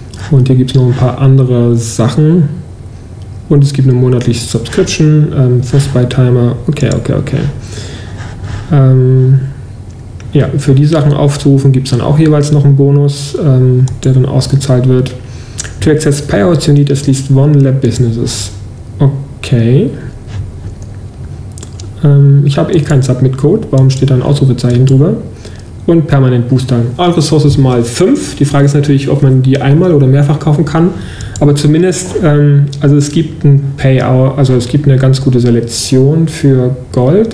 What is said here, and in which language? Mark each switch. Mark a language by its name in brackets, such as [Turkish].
[German] Und hier gibt es noch ein paar andere Sachen. Und es gibt eine monatliche Subscription, Fastbuy-Timer. Okay. Für die Sachen aufzurufen gibt es dann auch jeweils noch einen Bonus, der dann ausgezahlt wird. [English] To access payouts, you need at least one lab businesses. Okay. [German] Ich habe keinen Submit-Code, warum steht da ein Ausrufezeichen drüber? Und permanent Booster. All Resources mal 5. Die Frage ist natürlich, ob man die einmal oder mehrfach kaufen kann. Aber zumindest, es gibt ein Payout, also es gibt eine ganz gute Selektion für Gold.